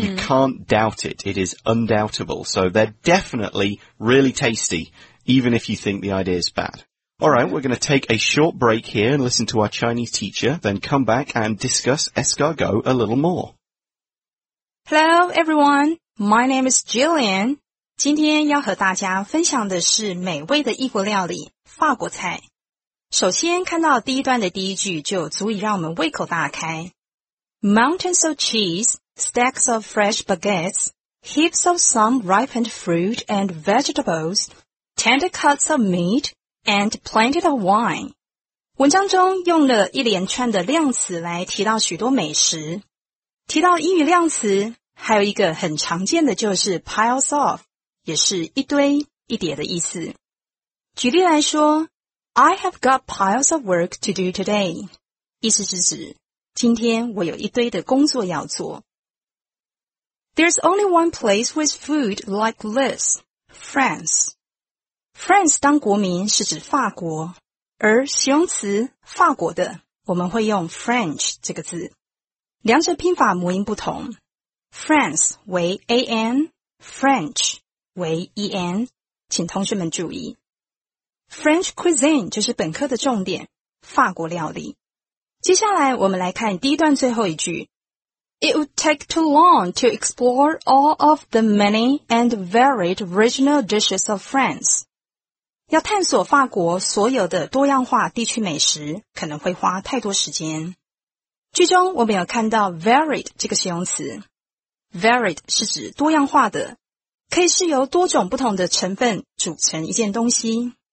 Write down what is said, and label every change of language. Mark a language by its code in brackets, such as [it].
[en] You can't doubt it. It is undoubtable. So they're definitely really tasty, even if you think the idea is bad. All right, we're going to take a short break here and listen to our Chinese teacher, then come back and discuss escargot a little more. Hello, everyone. My name is Jillian. [zh] 今天要和大家分享的是美味的异国料理。法国菜，首先看到第一段的第一句就足以让我们胃口大开。 Mountains of cheese, stacks of fresh baguettes, heaps of some ripened fruit and vegetables, tender cuts of meat, and plenty of wine. 文章中用了一连串的量词来提到许多美食。提到英语量词，还有一个很常见的就是 piles of, 也是一堆一叠的意思。举例来说 [en] ,I have got piles of work to do today. [zh] 意思是指今天我有一堆的工作要做。 [en] There's only one place with food like this, France. [zh] France 当国名是指法国,而形容词法国的我们会用 French 这个字。两者拼法母音不同 ,France 为 AN, French 为 EN, 请同学们注意。 French cuisine 就是本科的重点，法国料理。接下来我们来看第一段最后一句。 [en] It would take too long to explore all of the many and varied regional dishes of France. [zh] 要探索法国所有的多样化地区美食，可能会花太多时间。句中我们有看到 varied 这个形容词。Varied 是指多样化的，可以是由多种不同的成分组成一件东西。